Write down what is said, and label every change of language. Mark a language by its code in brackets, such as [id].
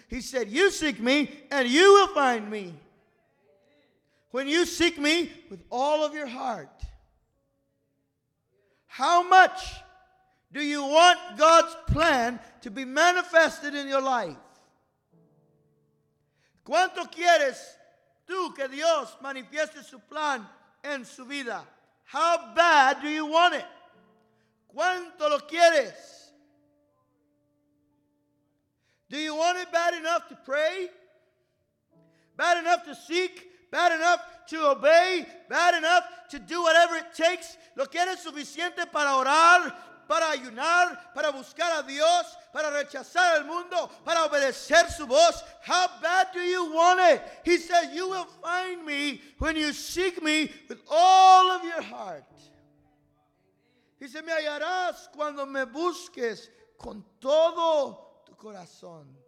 [en] He said, you seek me and you will find me. When you seek me with all of your heart, how much do you want God's plan to be manifested in your life? [es] ¿Cuánto quieres tú que Dios manifieste su plan en su vida? [en] How bad do you want it? [es] ¿Cuánto lo quieres? [en] Do you want it bad enough to pray? Bad enough to seek? Bad enough to obey? Bad enough to do whatever it takes? [es] ¿Lo quieres suficiente para orar, para ayunar, para buscar a Dios, para rechazar el mundo, para obedecer su voz? [en] How bad do you want it? He says, you will find me when you seek me with all of your heart. [es] He said, me hallarás cuando me busques con todo tu corazón.